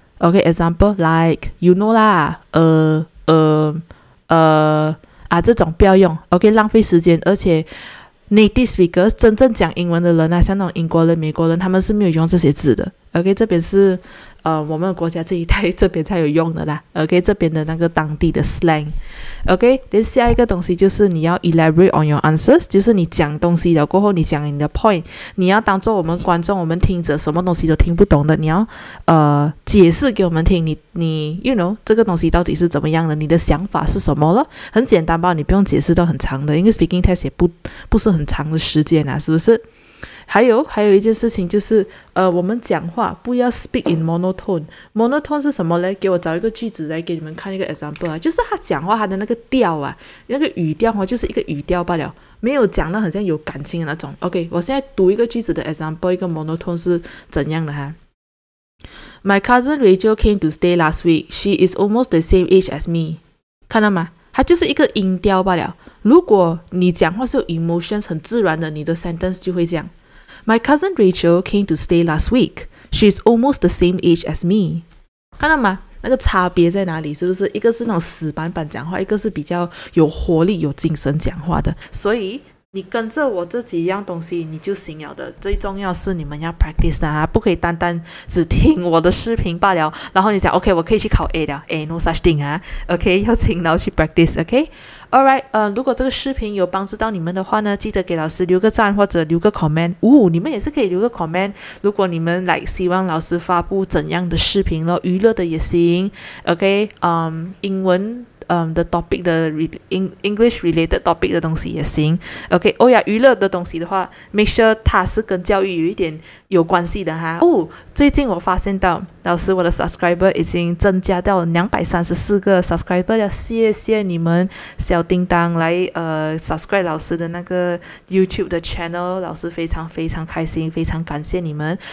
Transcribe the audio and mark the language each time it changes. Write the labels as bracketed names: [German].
[Chinese] OK， [English] example like you know [Chinese] 啦，这种不要用。 OK， 浪费时间。而且Native speakers 真正讲英文的人啊，像那种英国人美国人，他们是没有用这些字的。 OK， 这边是我们国家这一代这边才有用的啦。 OK， 这边的那个当地的 slang。OK， 连下一个东西就是你要 [English] elaborate on your answers， [Chinese] 就是你讲东西了过后你讲你的 point， 你要当做我们观众我们听者什么东西都听不懂的，你要解释给我们听，你 you know 这个东西到底是怎么样的，你的想法是什么了。很简单吧，你不用解释到很长的，因为 speaking test 也不是很长的时间啊，是不是？还有一件事情就是我们讲话不要 [English] speak in monotone。 [Chinese] monotone 是什么呢？给我找一个句子来给你们看一个 example 啊，就是他讲话他的那个调啊，那个语调就是一个语调罢了，没有讲的很像有感情的那种。 OK， 我现在读一个句子的 example， 一个 monotone 是怎样的哈。 [English] My cousin Rachel came to stay last week. She is almost the same age as me. [Chinese] 看到吗？它就是一个音调罢了。如果你讲话是有 emotions 很自然的，你的 sentence 就会这样。 [English] My cousin Rachel came to stay last week. She's almost the same age as me. [Chinese] 看到吗？那个差别在哪里？是不是一个是那种死板板讲话，一个是比较有活力有精神讲话的？所以你跟着我这几样东西你就行了的。最重要是你们要 practice 啊，不可以单单只听我的视频罢了，然后你讲 OK 我可以去考 A 了。 [English] A no such thing [Chinese] 啊。 OK， 要勤劳去 practice。OK， Alright， 如果这个视频有帮助到你们的话呢，记得给老师留个赞或者留个 comment。你们也是可以留个 comment， 如果你们 like 希望老师发布怎样的视频咯，娱乐的也行。 OK， 英文的 topic 的 [English] English related topic [Chinese] 的东西也行。 OK， 哦呀，娱乐的东西的话 [English] make sure [Chinese] 它是跟教育有一点有关系的哈。哦，最近我发现到老师我的 subscriber 已经增加到234个 subscriber 了，谢谢你们小叮当来subscribe 老师的那个 YouTube 的 channel， 老师非常非常开心，非常感谢你们。